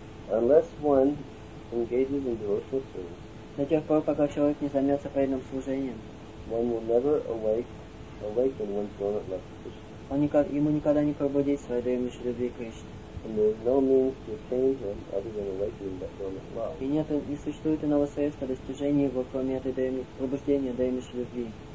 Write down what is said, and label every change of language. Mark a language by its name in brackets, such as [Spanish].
[English] Unless one engages in devotional service, [Russian] до тех пор, пока человек не займется преданным служением, [English] one will never awaken one's dormant love for Krishna. [Russian] Ему никогда не пробудить своей дремлющей любви к Кришне. [English] No means to change him other than awakening that dormant love. [Russian] И нет, не существует иного средства достижения его, кроме этой пробуждения дремлющей любви.